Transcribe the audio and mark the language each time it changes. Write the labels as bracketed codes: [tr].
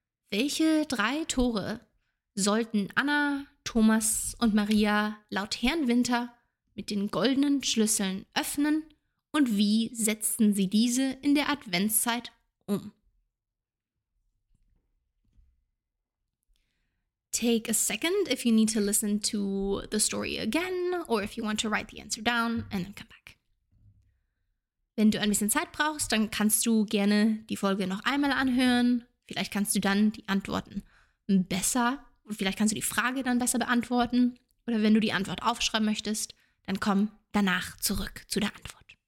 [de] Welche 3 Tore sollten Anna, Thomas und Maria laut Herrn Winter mit den goldenen Schlüsseln öffnen und wie setzten sie diese in der Adventszeit um? [en] take a second if you need to listen to the story again or if you want to write the answer down and then come back. [de] Wenn du ein bisschen Zeit brauchst, dann kannst du gerne die Folge noch einmal anhören. Vielleicht kannst du dann die Antworten besser und vielleicht kannst du die Frage dann besser beantworten. Oder wenn du die Antwort aufschreiben möchtest, dann komm danach zurück zu der Antwort.